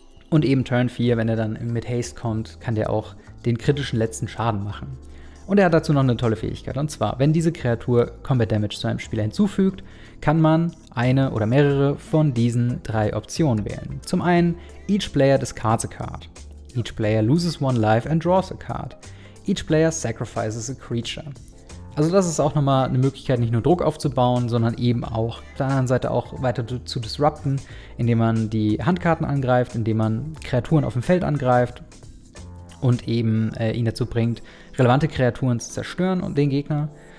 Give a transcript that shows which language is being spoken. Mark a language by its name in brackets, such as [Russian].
[German] Und eben Turn 4, wenn er dann mit Haste kommt, kann der auch den kritischen letzten Schaden machen. Und er hat dazu noch eine tolle Fähigkeit. Und zwar, wenn diese Kreatur Combat Damage zu einem Spieler hinzufügt, kann man eine oder mehrere von diesen 3 Optionen wählen. Zum einen, [English] each player discards a card. Each player loses 1 life and draws a card. Each player sacrifices a creature. [German] Also das ist auch nochmal eine Möglichkeit, nicht nur Druck aufzubauen, sondern eben auch auf der anderen Seite auch weiter zu disrupten, indem man die Handkarten angreift, indem man Kreaturen auf dem Feld angreift und eben ihn dazu bringt, relevante Kreaturen zu zerstören und den Gegner.